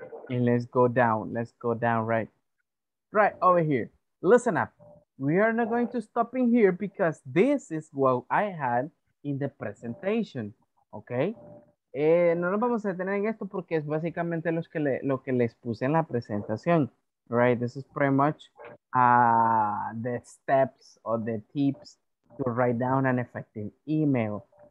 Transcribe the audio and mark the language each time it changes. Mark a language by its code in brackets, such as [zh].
[en] And let's go down right over here. Listen up, we are not going to stop in here because this is what I had in the presentation, okay? [es] No nos vamos a detener en esto porque es básicamente lo que les puse en la presentación, [en] right? This is pretty much the steps or the tips to write down an effective email.